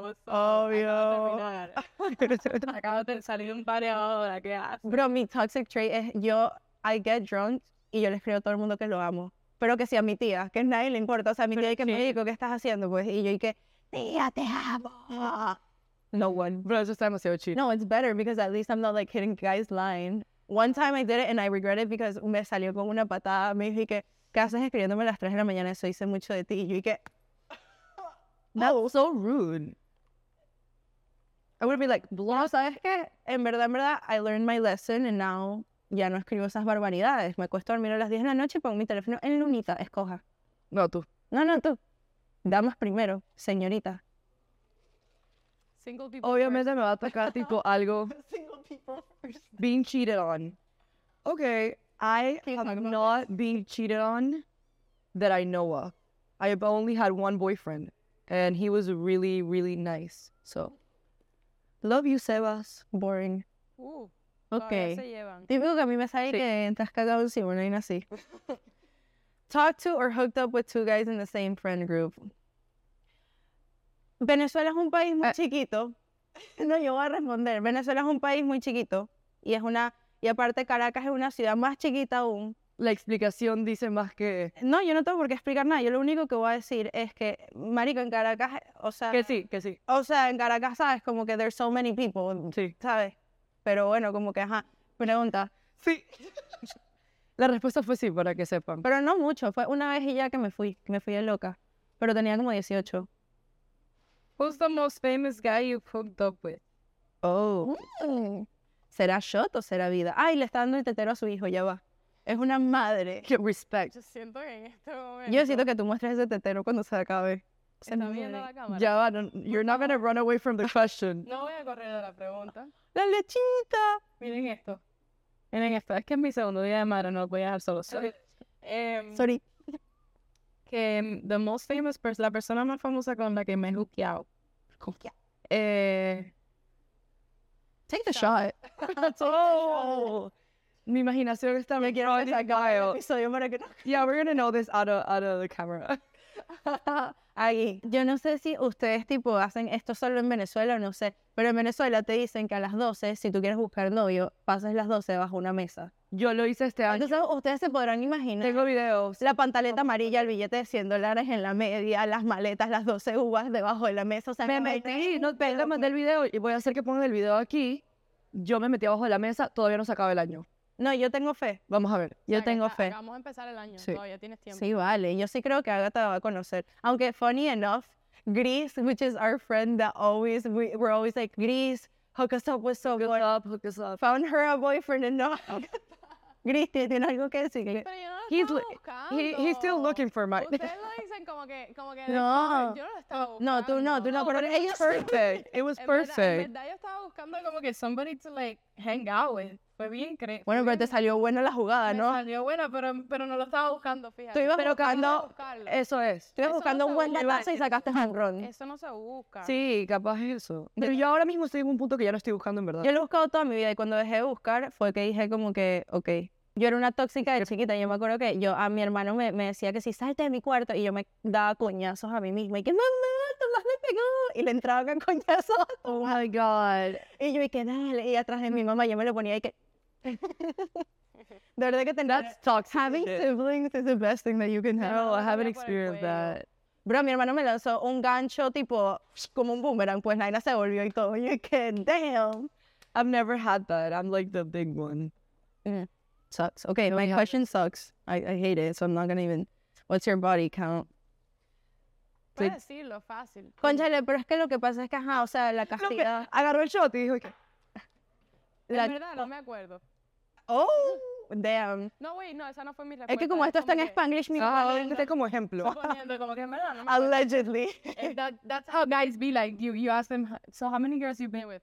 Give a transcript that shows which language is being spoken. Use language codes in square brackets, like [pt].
[es] Obvio. Acabo de salir un par de horas, ¿qué haces? Bro, mi toxic trait es yo, [en] I get drunk, [es] y yo le escribo a todo el mundo que lo amo. Pero que sí a mi tía, que a nadie le importa. O sea, a mi tía, que me dijo, ¿qué estás haciendo? Pues, y yo, y que, tía, te amo. [en] No one. Bro, it's just demasiado cheap. No, it's better because at least I'm not like hitting guys line. One time I did it and I regret it because [es] me salió con una patada. Me dije que, ¿qué haces escribiéndome a las 3 de la mañana? Eso hice mucho de ti. Y yo dije, [en] that was so rude. I would be like, blah. [es] ¿Sabes qué? En verdad, [en] I learned my lesson and now [es] ya no escribo esas barbaridades. Me cuesta dormir a las 10 de la noche y pongo mi teléfono en lunita. Escoja. No, tú. No, tú. Damas primero, señorita. [en] Single people [es] obviamente [en] first. [es] Me va a tocar tipo algo. [en] Single people first. Being cheated on. Okay, I have not this? Been cheated on that I know of. I have only had one boyfriend, and he was really, really nice. So, love you, Sebas. Boring. Ooh. Okay. [es] Típico que a mí me sale que estás cagado si bueno y así. [en] Talk to or hooked up with two guys in the same friend group. [es] Venezuela es un país muy chiquito. No, yo voy a responder. Venezuela es un país muy chiquito. Y es una... Y aparte, Caracas es una ciudad más chiquita aún. La explicación dice más que... No, yo no tengo por qué explicar nada. Yo lo único que voy a decir es que, marico, en Caracas, o sea... Que sí. O sea, en Caracas, ¿sabes? Como que [en] there's so many people. [es] Sí. ¿Sabes? Pero bueno, como que, ajá. Pregunta. Sí. La respuesta fue sí, para que sepan. Pero no mucho. Fue una vez y ya que me fui de loca. Pero tenía como 18. [en] Who's the most famous guy you've hooked up with? Oh. [es] ¿Será Shot o será Vida? Ay, le está dando el tetero a su hijo, ya va. Es una madre. [en] Respect. [es] Yo siento que en este momento... Yo siento que tú muestres ese tetero cuando se acabe. Está viendo la cámara. Ya va, no, [en] you're not gonna run away from the question. [es] No voy a correr de la pregunta. ¡La lechita! Miren esto. Miren esto. Es que es mi segundo día de madre, no lo voy a dejar solo. [en] Sorry. Sorry. [es] Que [en] the most famous person, [es] la persona más famosa con la que me he hookeado. [en] Take the shot. That's all. [es] Mi imaginación está me quiero ver esa gael. [en] Yeah, we're gonna know this out of the camera. [es] Aquí. Yo no sé si ustedes tipo hacen esto solo en Venezuela o no sé, pero en Venezuela te dicen que a las 12, si tú quieres buscar novio, pases las 12 bajo una mesa. Yo lo hice este año. Entonces ustedes se podrán imaginar. Tengo videos. La pantaleta amarilla, el billete de $100 en la media, las maletas, las 12 uvas debajo de la mesa. O sea, me metí, no, pero mandé el video y voy a hacer que pongan el video aquí. Yo me metí abajo de la mesa, todavía no se acaba el año. No, yo tengo fe. Vamos a ver. Yo tengo fe. Vamos a empezar el año. Sí. Todavía tienes tiempo. Sí, vale. Yo sí creo que Agatha va a conocer. [en] Aunque, funny enough, Gris, which is our friend that always, we're always like, Gris, hook us up with someone. Hook us up. Found her a boyfriend and not. Gris, [es] ¿tiene algo que decir? Pero yo no lo estaba buscando. [en] He's still looking for my... [es] Ustedes lo dicen como que... No. Yo no lo estaba buscando. No, tú no, tú no. [en] Pero it was perfect. It was perfect. [es] En verdad, yo estaba buscando como que [en] somebody to, like, hang out with. [es] Fue bien increíble. Bueno, pero te salió buena la jugada, ¿no? Me salió buena, pero no lo estaba buscando, fíjate. Tú ibas pero buscando... Eso es. Tú ibas buscando no un buen latazo y sacaste jonrón. Eso no se busca. Sí, capaz eso. Pero yo ahora mismo estoy en un punto que ya no estoy buscando, en verdad. Yo lo he buscado toda mi vida y cuando dejé de buscar fue que dije como que, ok. Yo era una tóxica de chiquita. Yo me acuerdo que yo a mi hermano me decía que si salte de mi cuarto y yo me daba coñazos a mí misma. Y que, mamá, tú me has pegado. Y le entraba con coñazos. [en] Oh, my God. [es] Y yo, y que dale. Y atrás de mi mamá yo me lo ponía y que... De verdad que tener... [en] That's toxic. Having siblings is the best thing that you can have. No, I haven't experienced that. [es] Bro, mi hermano me lanzó un gancho tipo... Como un boomerang, pues Naina se volvió y todo. Y yo, que, damn. [en] I've never had that. I'm like the big one. Sucks. Okay, no, my question have... sucks. I hate it, so I'm not gonna even... What's your body count? [es] Puedes like... decirlo, fácil. Conchale, pero es que lo que pasa es que, ajá, o sea, la castidad... me... Agarró el shot y dijo que... La... En verdad, no me acuerdo. [en] Oh, damn. [es] No, wait, no, esa no fue mi respuesta. Es que como esto está en Spanglish, mi mamá... Este como ejemplo. Como que en verdad, no me [en] allegedly. That's how guys be like, you ask them, so how many girls you've been with?